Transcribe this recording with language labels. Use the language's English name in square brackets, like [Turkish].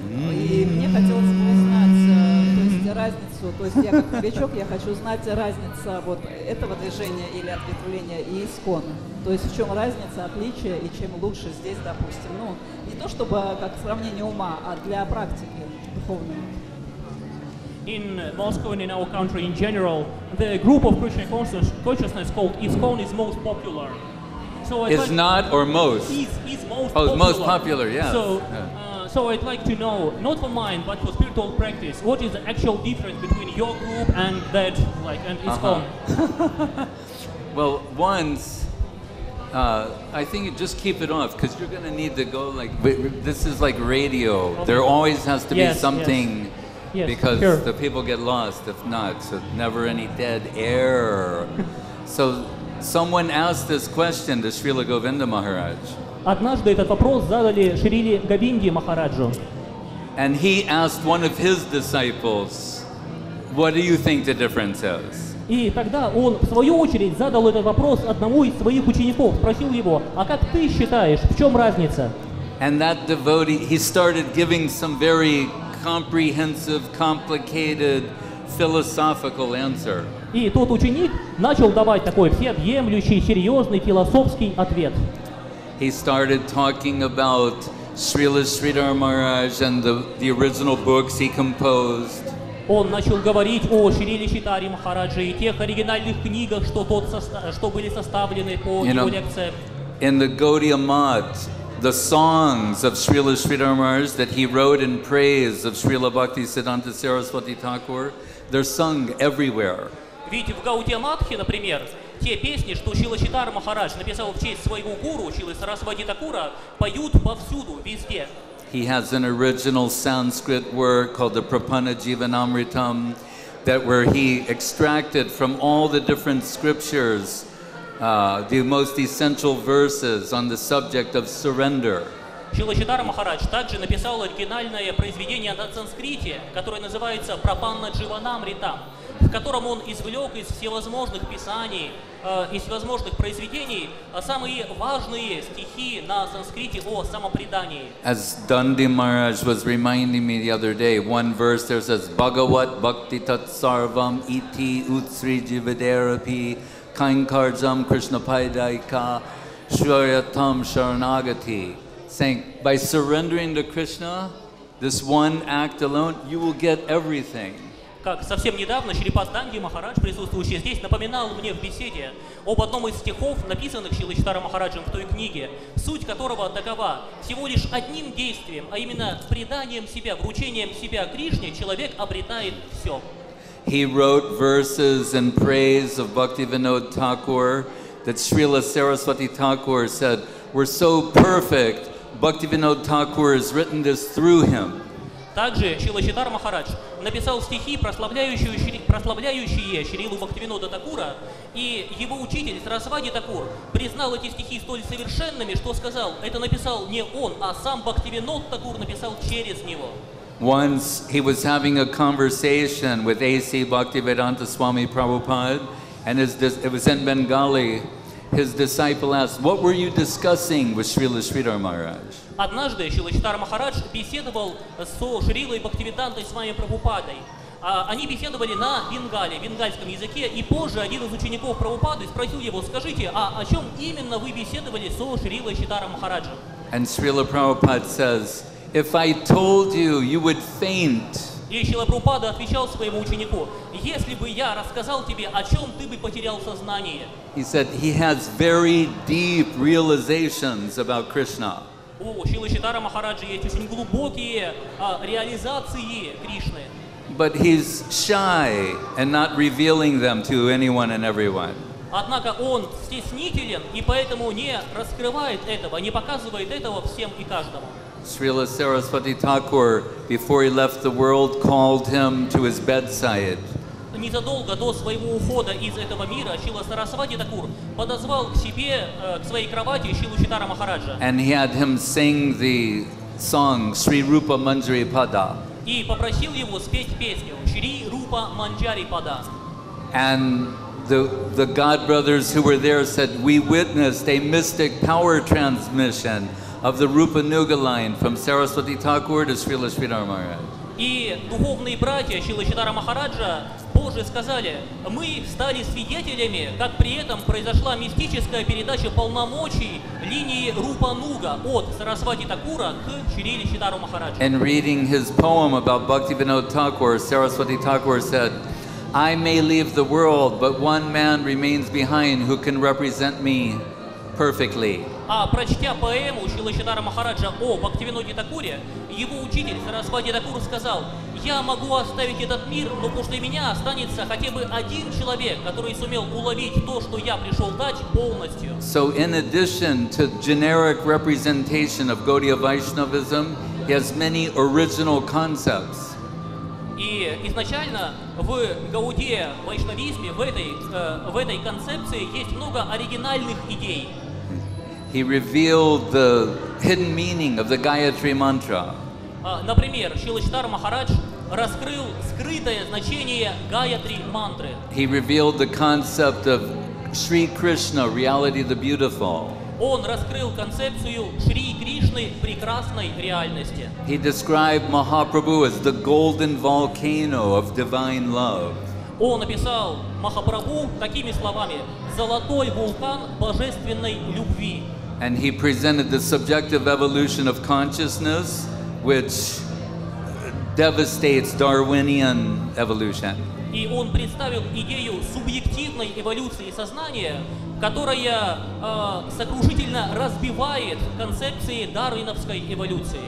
[Russian] И мне хотелось бы узнать, то есть разницу, то есть я как новичок, я хочу знать разницу вот этого движения или ответвления и ИСКОН. То есть в чем разница, отличие и чем лучше здесь, допустим. Ну, не то чтобы как сравнение ума, а для практики духовной. [English] In Moscow and in our country in general, the group of Krishna consciousness called ISKCON is most popular. So I'd is like not or most? Is most oh, popular. Oh, most popular, yeah. So I'd like to know, not for mine, but for spiritual practice, what is the actual difference between your group and that, like, and ISKCON? Uh-huh. Well, once, I think you just keep it off, because you're going to need to go, like, this is like radio. Okay. There always has to be something. Yes. Yes, because the people get lost if not, so never any dead air. So someone asked this question to Шрила Говинда Махарадж. [Russian] Однажды этот вопрос задали Шриле Говинде Махараджу. [English] And he asked one of his disciples, what do you think the difference is? [Russian] И тогда он в свою очередь задал этот вопрос одному из своих учеников, спросил его, а как ты считаешь, в чем разница? [English] And that devotee, he started giving some very comprehensive, complicated, philosophical answer. [Russian] И тот ученик начал давать такой всеобъемлющий, серьезный, философский ответ. [English] He started talking about Srila Sridhar Maharaj and the original books he composed. [Russian] Он начал говорить о Шриле Шридхаре Махарадже и тех оригинальных книгах, что были составлены по его лекциям. [English] In the Gaudiya Mat, the songs of Srila Sridhar Maharaj that he wrote in praise of Srila Bhakti Siddhanta Saraswati Thakur, they're sung everywhere. [Russian] Ведь в Гаудия Матхе, например, те песни, что Шрила Читар Махарадж написал в честь своего гуру, Шрила Сарасвати Такура, поют повсюду, везде. [English] He has an original Sanskrit work called the Prapanna Jivanamritam that where he extracted from all the different scriptures the most essential verses on the subject of surrender. [Russian] Шрила Читар Махарадж также написал оригинальное произведение на санскрите, которое называется «Прапанна Дживанамритам», в котором он извлек из всевозможных писаний, из всевозможных произведений самые важные стихи на санскрите о самопредании. [English] As Данди Махарадж was reminding me the other day, one verse there says [Sanskrit] «Bhagavat bhakti tat sarvam iti utsri jivadarapi Kankarjam Krishna Paidaika Shuryatam Sharanagati, [English] saying, by surrendering to Krishna, this one act alone, you will get everything. [Russian] Как совсем недавно Шрипад Данги Махарадж, присутствующий здесь, напоминал мне в беседе об одном из стихов, написанных Шрилой Читарой Махараджем в той книге, суть которого такова. Всего лишь одним действием, а именно преданием себя, вручением себя Кришне, человек обретает все. [English] He wrote verses in praise of Bhakti Vinod Thakur that Srila Saraswati Thakur said were so perfect. Bhakti Vinod Thakur has written this through him. [Russian] Также Шрила Читар Махарадж написал стихи, прославляющие Шрилу Бхактивинода Такура, и его учитель Сарасвати Такур признал эти стихи столь совершенными, что сказал, это написал не он, а сам Бхактивинод Такур написал через него. [English] Once he was having a conversation with A.C. Bhaktivedanta Swami Prabhupada, and it was in Bengali, his disciple asked, what were you discussing with Srila Sridhar Maharaj? [Russian] Однажды Шрила Читар Махарадж беседовал со Шрилой Бхактивидантой Свами Прабхупадой. Они беседовали на бенгале, бенгальском языке, и позже один из учеников Прабхупады спросил его, скажите, а о чем именно вы беседовали со Шрилой Читаром Махараджем? [English] And Srila Prabhupada says, if I told you, you would faint. [Russian] И Шрила Прабхупада отвечал своему ученику, если бы я рассказал тебе, о чем ты бы потерял сознание. [English] He said he has very deep realizations about Krishna. [Russian] У Шрилы Читара Махараджи есть очень глубокие реализации Кришны. [English] But he's shy and not revealing them to anyone and everyone. [Russian] Однако он стеснителен и поэтому не раскрывает этого, не показывает этого всем и каждому. [English] Srila Saraswati Thakur, before he left the world, called him to his bedside. [Russian] Незадолго до своего ухода из этого мира Шрила Сарасвати Такур подозвал к себе, к своей кровати Шрилу Читара Махараджа. [English] And he had him sing the song Sri Rupa Manjari Pada. [Russian] И попросил его спеть песню Sri Rupa Manjari Pada. [English] And the God brothers who were there said, we witnessed a mystic power transmission of the Rupa Nuga line from Saraswati Thakur to Srila Sridhar Maharaj. [Russian] И духовные братья Шрилы Чайтаньи Махараджа позже сказали, мы стали свидетелями, как при этом произошла мистическая передача полномочий линии Рупа Нуга от Сарасвати Такура к Шриле Чайтаньи Махараджу. [English] And reading his poem about Bhaktivinoda Thakur, Saraswati Thakur said, I may leave the world, but one man remains behind who can represent me perfectly. [Russian] А прочтя поэму Шрилы Чайтаньи Махараджа о Бхактивиноде Такуре, его учитель Сарасвати Такур сказал, я могу оставить этот мир, но после меня останется хотя бы один человек, который сумел уловить то, что я пришел дать полностью. [English] So in addition to generic representation of Gaudiya Vaishnavism, he has many original concepts. [Russian] И изначально в Гаудия Вайшнавизме, в этой концепции есть много оригинальных идей. [English] He revealed the hidden meaning of the Gayatri Mantra. [Russian] Например, Шрила Чайтаньи Махарадж раскрыл скрытое значение Гаятри Мантры. [English] He revealed the concept of Shri Krishna, reality the beautiful. [Russian] Он раскрыл концепцию Шри Кришны, прекрасной реальности. [English] He described Mahaprabhu as the golden volcano of divine love. [Russian] Он описал Махапрабху такими словами, золотой вулкан божественной любви. [English] And he presented the subjective evolution of consciousness, which devastates Darwinian evolution. [Russian] И он представил идею субъективной эволюции сознания, которая сокрушительно разбивает концепции дарвиновской эволюции.